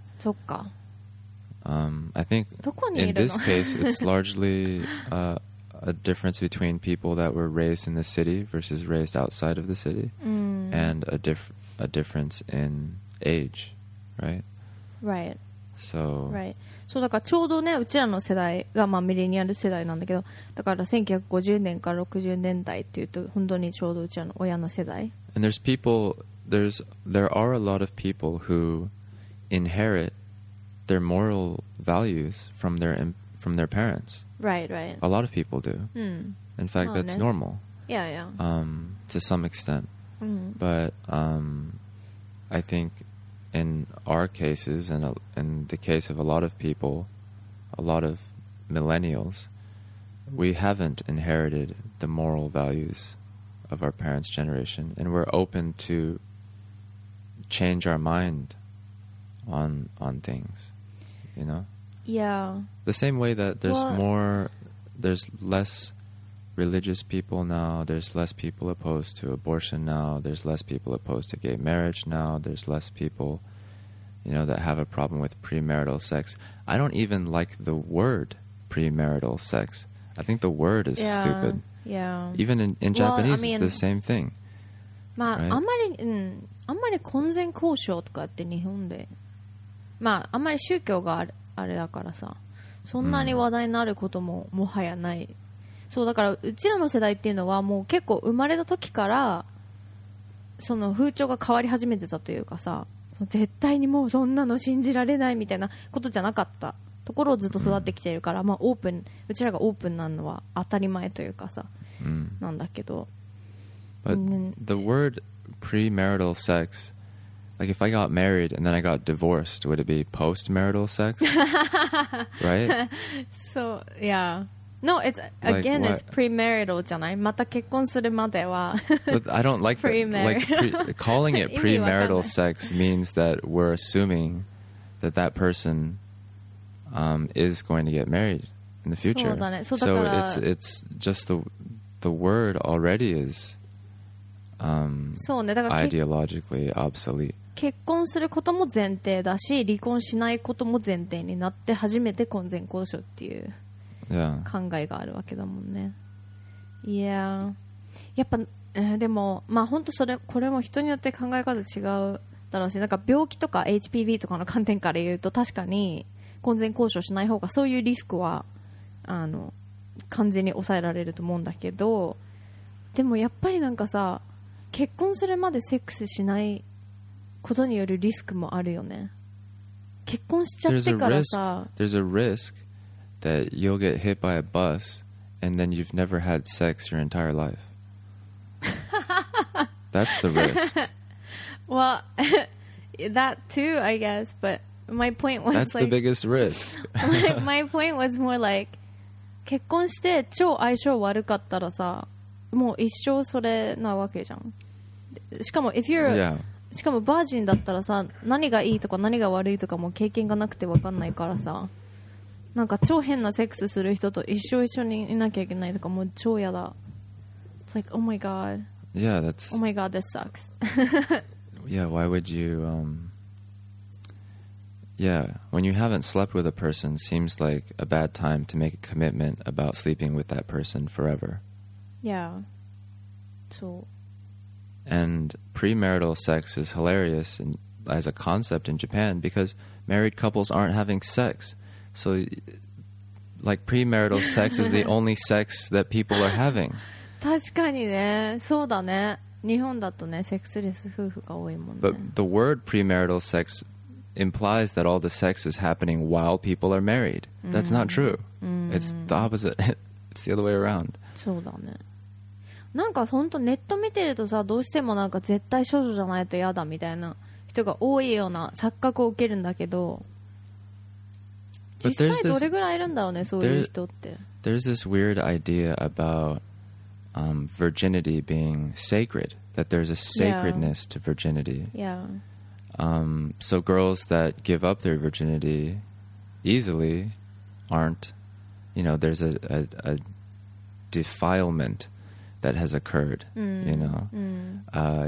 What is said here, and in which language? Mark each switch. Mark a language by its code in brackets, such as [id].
[ja] そっか。 [en] I think in this case, it's largely a difference between people that were raised in the city versus raised outside of the city, and a difference in age. Right. So, right. [ja] そうだから、ちょうどね、うちらの世代がまあミレニアル世代なんだけど、だから1950年から60年代っていうと本当にちょうどうちらの親の世代。 [en] And there's people, there are a lot of people who inherit their moral values from their parents. Right. A lot of people do. In fact, that's normal. Yeah. To some extent. But I think. In our cases, and in the case of a lot of people, a lot of millennials, we haven't inherited the moral values of our parents' generation, and we're open to change our mind on things, you know? Yeah. The same way that there's less religious people now, there's less people opposed to abortion now, there's less people opposed to gay marriage now, there's less people... You know, that have a problem with premarital sex. I don't even like the word premarital sex. I think the word is stupid. Yeah. Even in Japanese, it's the same thing. [ja] まあ、あんまり、あんまり婚前交渉とかって日本で、まあ、あんまり宗教があれだからさ、そんなに話題になることももはやない。そう、だからうちらの世代っていうのはもう結構生まれた時からその風潮が変わり始めてたというかさ、絶対にもうそんなの信じられないみたいなことじゃなかったところをずっと育ってきているから、まあ、オープン、うちらがオープンなのは当たり前というかさ、なんだけど。 [en] But the word premarital sex, like if I got married and then I got divorced, would it be postmarital sex? Right? So, yeah. No, it's again, like, it's premarital [ja] じゃない？また結婚するまでは。 [en] But I don't like premarital. Like calling it premarital sex means that we're assuming that that person is going to get married in the future. [ja] そうだね。そうだから。 [en] So it's just the word already is ideologically obsolete. [ja] 結婚することも前提だし、離婚しないことも前提になって初めて婚前交渉っていう。 [en] Yeah. [ja] 考えがあるわけだもんね。いや、やっぱ、でもまあ本当それこれも人によって考え方違うだろうし、なんか病気とか HPV とかの観点から言うと確かに婚前交渉しない方がそういうリスクは完全に抑えられると思うんだけど、でもやっぱりなんかさ、結婚するまでセックスしないことによるリスクもあるよね。結婚しちゃってからさ、 [en] There's a risk that you'll get hit by a bus and then you've never had sex your entire life. That's the risk. Well, that too, I guess, but my point was that's like, the biggest risk. My point was more like [ja] 結婚して超相性悪かったらさもう一生それなわけじゃん。しかも [en] if you're、 yeah. [ja] しかもバージンだったらさ何がいいとか何が悪いとかも経験がなくて分かんないからさなんか超変なセックスする人と一生一緒にいなきゃいけないとかもう超やだ。 [en] It's like oh my god. Yeah, that's oh my god, this sucks. Yeah, why would you Yeah, when you haven't slept with a person, seems like a bad time to make a commitment about sleeping with that person forever. Yeah. So. And premarital sex is hilarious in, as a concept in Japan because married couples aren't having sex. So, like, premarital sex is the only sex that people are having. [ja] 確かにね。そうだね。日本だとね、セックスレス夫婦が多いもんね。 [en] But the word premarital sex implies that all the sex is happening while people are married. That's not true. It's the opposite. It's the other way around. [ja] そうだね。なんか本当ネット見てるとさ、どうしてもなんか絶対少女じゃないとやだみたいな人が多いような錯覚を受けるんだけど、実際どれぐらいいるんだろうね、そういう人って。 [en] There's this weird idea about virginity being sacred. That there's a sacredness to virginity. Yeah. So girls that give up their virginity easily aren't, you know, there's a defilement that has occurred, you know.